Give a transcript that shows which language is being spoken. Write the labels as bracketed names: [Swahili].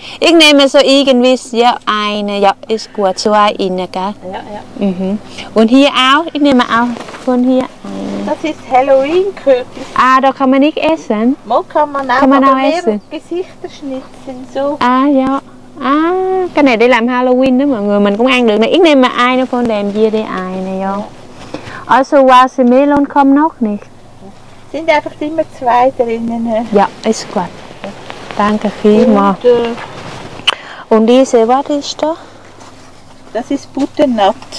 [German] Ich nehme so irgendwie ja, eine, ja, ist gut, zwei inne, gell? Ja, ja. Und hier auch, ich nehme auch von hier eine. Das ist Halloween-Kürbis. Ah, da kann man nicht essen? Mal kann man auch essen. Gesichter schnitzen, so. Ah, ja. [Vietnamese] Ah, cái này để làm Halloween đó mọi người, mình cũng ăn được nè. [German] Ich nehme eine von dem hier, die eine, ja. Also, was im Melon kommt noch nicht? Sind einfach immer zwei drinnen. Ja, ist gut. Danke vielmals. Und diese, was ist da? Das ist Butternut.